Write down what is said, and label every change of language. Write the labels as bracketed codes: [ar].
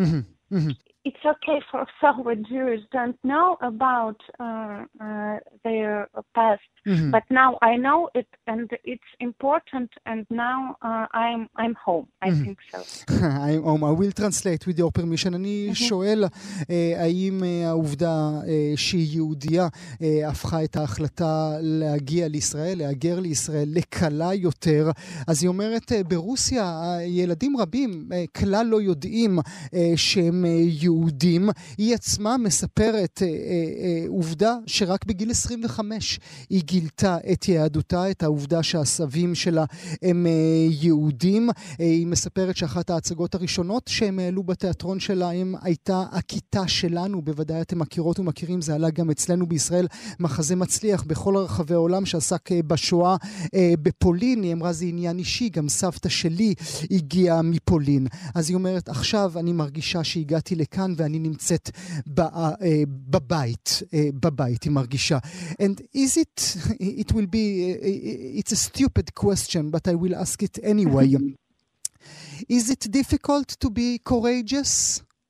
[en] Mm-hmm. Mm-hmm. It's okay for some Jews don't know about their past, mm-hmm. but now I know it and it's important and now I'm home, I mm-hmm. think so. I'm home. I will translate with your permission. [he] אני mm-hmm. שואל האם העובדה שהיא יהודיה הפכה את ההחלטה להגיע לישראל, להגר לישראל, לקלה יותר. אז היא אומרת, ברוסיה ילדים רבים כלל לא יודעים שהם יהודים. היא עצמה מספרת עובדה שרק בגיל 25 היא גילתה את יהדותה, את העובדה שהסבים שלה הם יהודים. היא מספרת שאחת ההצגות הראשונות שהם העלו בתיאטרון שלהם הייתה הכיתה שלנו, בוודאי אתם מכירות ומכירים, זה עלה גם אצלנו בישראל, מחזה מצליח בכל הרחבי העולם שעסק בשואה בפולין. היא אמרה זה עניין אישי, גם סבתא שלי הגיעה מפולין. אז היא אומרת, עכשיו אני מרגישה שהגעתי לכאן ואני נמצאת בבית, בבית, היא מרגישה. [en] And is it, it will be, it's a stupid question, but I will ask it anyway. Is it difficult to be courageous?